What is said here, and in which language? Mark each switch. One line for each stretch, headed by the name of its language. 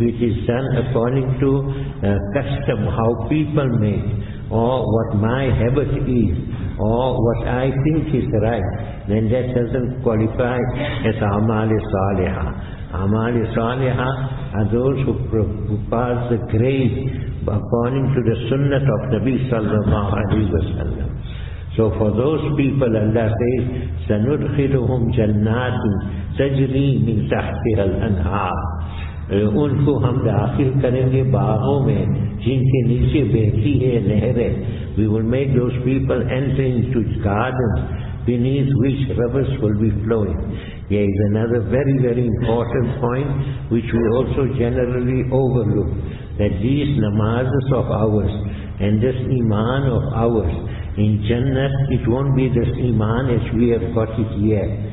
English: If it is done according to custom, how people make, or what my habit is, or what I think is right, then that doesn't qualify as amal is saliha. Amal is saliha are those who pass the grade according to the sunnah of Nabi sallallahu alaihi wasallam. So for those people, Allah says,
Arabic: سَنُدْخِلُهُمْ جَنَّاتٍ تَجْرِي مِنْ تَحْتِهَا الْأَنْهَارُ,
Urdu: ان کو ہم داخل کریں گے باغوں میں جن کے نیچے بہتی ہے نہریں.
English: We will make those people enter into gardens beneath which rivers will be flowing. Here is another very, very important point which we also generally overlook, that these namazes of ours and this iman of ours, in Jannah, it won't be this iman as we have got it yet.